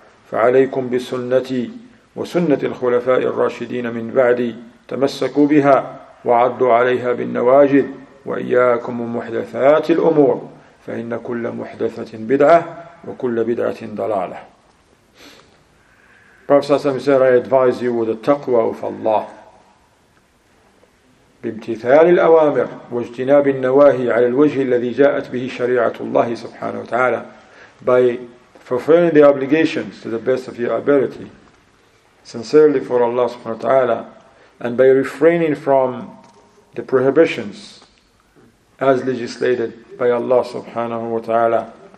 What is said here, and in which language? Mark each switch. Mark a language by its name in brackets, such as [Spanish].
[Arabic] فعليكم بسنتي وسنة الخلفاء الراشدين من بعدي تمسكوا بها وعضوا عليها بالنواجد، وإياكم ومحدثات الأمور، فإن كل محدثة بدعة وكل بدعة ضلالة. [English] Prophet ﷺ said, I advise you with the taqwa of Allah. [Arabic] بامتثال الأوامر واجتناب النواهي على الوجه الذي جاءت به شريعة الله سبحانه وتعالى. [English] By fulfilling the obligations to the best of your ability, sincerely for Allah subhanahu wa ta'ala, and by refraining from the prohibitions as legislated by Allah subhanahu wa ta'ala.